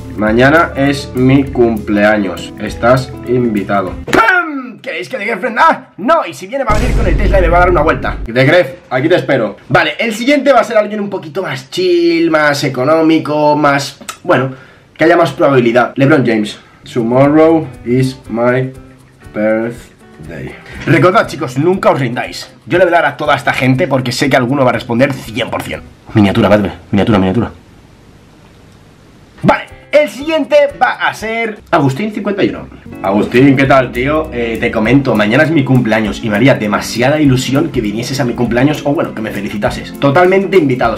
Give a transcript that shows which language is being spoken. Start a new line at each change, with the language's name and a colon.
Spanish: Mañana es mi cumpleaños, estás invitado. ¡Pam! ¿Queréis que The Gref venga? No, y si viene va a venir con el Tesla y me va a dar una vuelta. The Gref, aquí te espero. Vale, el siguiente va a ser alguien un poquito más chill, más económico, más... bueno, que haya más probabilidad. LeBron James.
English: Tomorrow is my birthday.
Spanish: Recordad, chicos, nunca os rindáis. Yo le voy a dar a toda esta gente porque sé que alguno va a responder 100%. Miniatura, padre. Miniatura. Vale, el siguiente va a ser Agustín51. Agustín, ¿qué tal, tío? Te comento, mañana es mi cumpleaños y me haría demasiada ilusión que vinieses a mi cumpleaños o, bueno, que me felicitases. Totalmente invitado.